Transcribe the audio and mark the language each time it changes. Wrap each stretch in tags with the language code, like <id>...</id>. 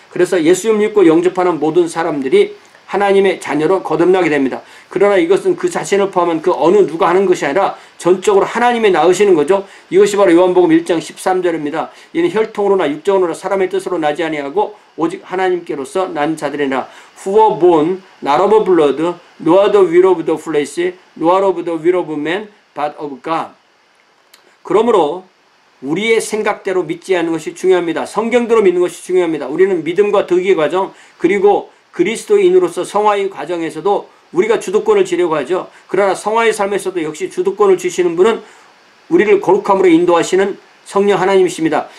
<ko>그래서 예수님 믿고 영접하는 모든 사람들이 하나님의 자녀로 거듭나게 됩니다. 그러나 이것은 그 자신을 포함한 그 어느 누가 하는 것이 아니라 전적으로 하나님이 나으시는 거죠. 이것이 바로 요한복음 1장 13절입니다. 이는 혈통으로나 육정으로나 사람의 뜻으로 나지 아니하고 오직 하나님께로서 난 자들이라.</ko> <en>Who were born not of blood, nor the will of the flesh, nor of the will of man, but of God.</en> <ko>그러므로 우리의 생각대로 믿지 않는 것이 중요합니다. 성경대로 믿는 것이 중요합니다. 우리는 믿음과 득의 과정, 그리고 그리스도인으로서 성화의 과정에서도 우리가 주도권을 지려고 하죠. 그러나 성화의 삶에서도 역시 주도권을 주시는 분은 우리를 거룩함으로 인도하시는 성령 하나님이십니다.</ko>